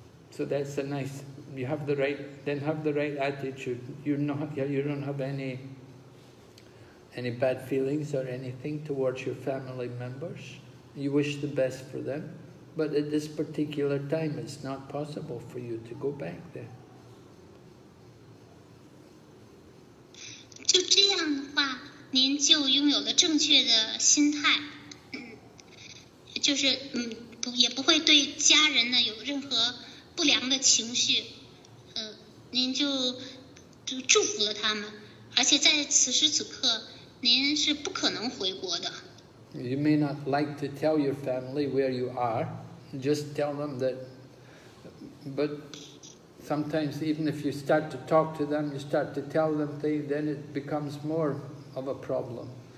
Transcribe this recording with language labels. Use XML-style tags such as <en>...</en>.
<en>So that's a nice. You have the right. Then have the right attitude. You don't have any bad feelings or anything towards your family members. You wish the best for them, but at this particular time, it's not possible for you to go back there.</en> <zh>就这样的话，您就拥有了正确的心态，就是也不会对家人呢有任何不良的情绪，您就祝福了他们，而且在此时此刻，您是不可能回国的。</zh> <en>You may not like to tell your family where you are, just tell them that, but. Sometimes even if you start to talk to them, you start to tell them things, then it becomes more of a problem.</en>